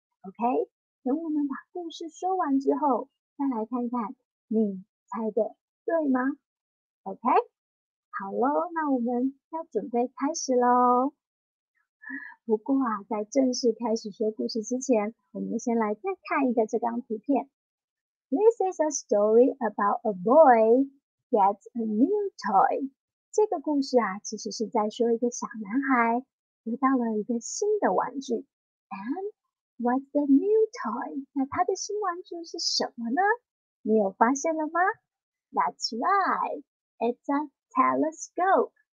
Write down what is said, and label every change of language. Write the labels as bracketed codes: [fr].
[zh] OK, 等我们把故事说完之后再来看看你猜的对吗？ OK, 好咯，那我们要准备开始咯。不过啊，在正式开始说故事之前，我们先来再看一个这张图片。 [en] This is a story about a boy gets a new toy. [zh] 这个故事啊，其实是在说一个小男孩得到了一个新的玩具。 [en] And what's the new toy? [zh] 那他的新玩具是什么呢？你有发现了吗？ [en] That's right. It's a telescope.